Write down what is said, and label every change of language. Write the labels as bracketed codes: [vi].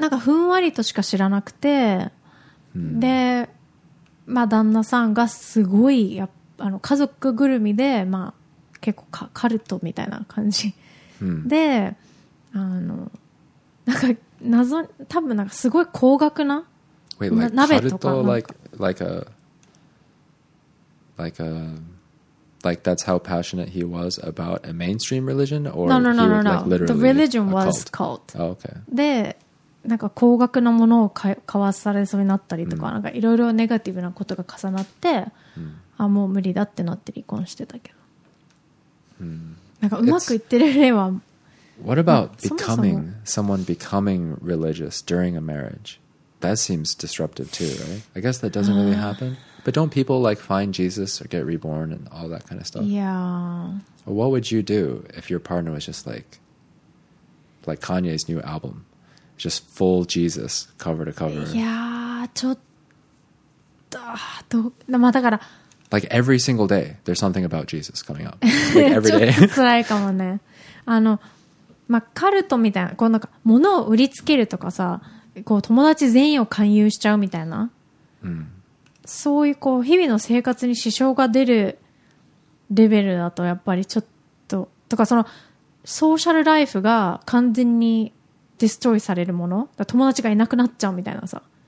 [ja] なんかふんわりとしか知らなくて、で。まあ、旦那さんがすごいやあの家族ぐるみで、まあ、結構カルトみたいな感じ、で、あのなんか謎、多分なんかすごい高額 な鍋とか、カルト [en] like that's how passionate he was about a mainstream religion or no. The religion was cult. Oh, okay. [ja] でなんか高額なものを買わされそうになったりとか、なんかいろいろネガティブなことが重なって、あもう無理だってなって離婚してたけど、なんかうまくいってる例は、 [en] What about becoming someone becoming religious during a marriage? That seems disruptive too, right? I guess that doesn't really happen. But don't people like find Jesus or get reborn and all that kind of stuff? Yeah. What would you do if your partner was just like Kanye's new album? Just full Jesus, cover to cover. Yeah, [ja] だから [en] Like every single day, there's something about Jesus coming up. Like every day. [ja] ちょっと辛いかもね。あの、まあ、カルトみたいな、こうなんか、物を売りつけるとかさ、こう友達全員を勧誘しちゃうみたいな。そういうこう、日々の生活に支障が出るレベルだと、やっぱりちょっと、とかその、ソーシャルライフが完全に、destroy されるもの、だ友達がいなくなっちゃうみたいなさ。